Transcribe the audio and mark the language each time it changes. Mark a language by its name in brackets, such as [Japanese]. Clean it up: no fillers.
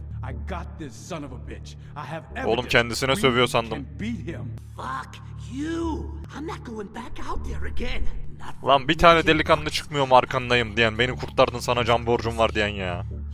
[English] I got this son of a bitch. I have evidence. [Turkish] Oğlum kendisine sövüyor sandım. [English] Fuck you. I'm not going back out there again. [Turkish] Lan bir tane delikanlı çıkmıyor mu arkandayım diyen, beni kurtardın sana can borcum var diyen ya.